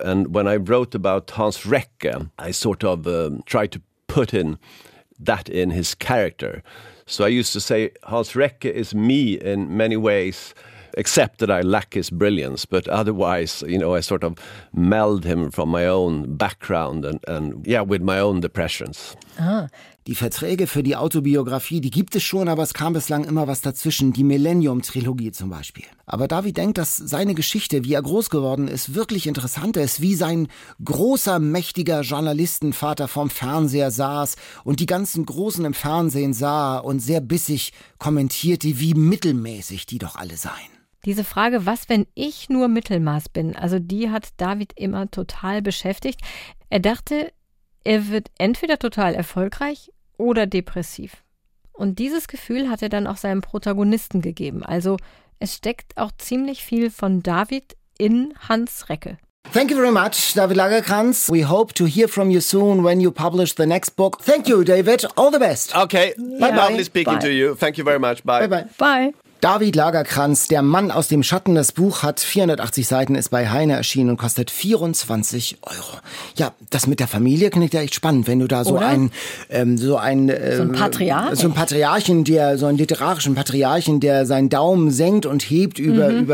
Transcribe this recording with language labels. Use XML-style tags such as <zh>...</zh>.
<en>And when I wrote about Hans Recke, I sort of tried to put in that in his character. So I used to say Hans Recke is me in many ways, except that I lack his brilliance, but otherwise, you know, I sort of meld him from my own background and yeah, with my own depressions. Ah.</en> <de>Die Verträge für die Autobiografie, die gibt es schon, aber es kam bislang immer was dazwischen. Die Millennium-Trilogie zum Beispiel. Aber David denkt, dass seine Geschichte, wie er groß geworden ist, wirklich interessant ist. Wie sein großer, mächtiger Journalistenvater vorm Fernseher saß und die ganzen Großen im Fernsehen sah und sehr bissig kommentierte, wie mittelmäßig die doch alle seien. Diese Frage, was, wenn ich nur Mittelmaß bin, also die hat David immer total beschäftigt. Er dachte, er wird entweder total erfolgreich oder depressiv. Und dieses Gefühl hat er dann auch seinem Protagonisten gegeben. Also es steckt auch ziemlich viel von David in Hans Recke.</de> <en>Thank you very much, David Lagercrantz. We hope to hear from you soon when you publish the next book. Thank you, David. All the best. Okay, bye-bye. Yeah. Lovely speaking bye. To you. Thank you very much. Bye. Bye-bye. Bye.</en> <de>David Lagercrantz, der Mann aus dem Schatten. Das Buch hat 480 Seiten, ist bei Heine erschienen und kostet 24 Euro. Ja, das mit der Familie klingt ja echt spannend, wenn du da so einen, so einen literarischen Patriarchen, der seinen Daumen senkt und hebt über, mhm.</de>